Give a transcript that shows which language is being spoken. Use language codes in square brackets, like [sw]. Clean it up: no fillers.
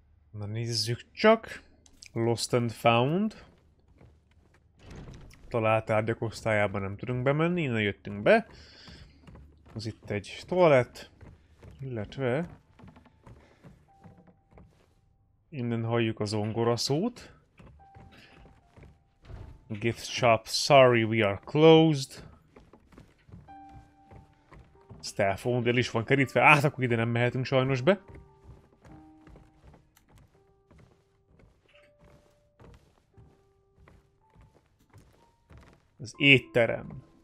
[hu] Na nézzük csak. [en] Lost and found. [hu] Talált tárgyak osztályában nem tudunk bemenni, innen jöttünk be. Az itt egy toalett. Illetve... innen halljuk a zongora szót. [en] Gift shop, sorry we are closed. Staff only [hu] is van kerítve, át akkor ide nem mehetünk sajnos be. Az étterem.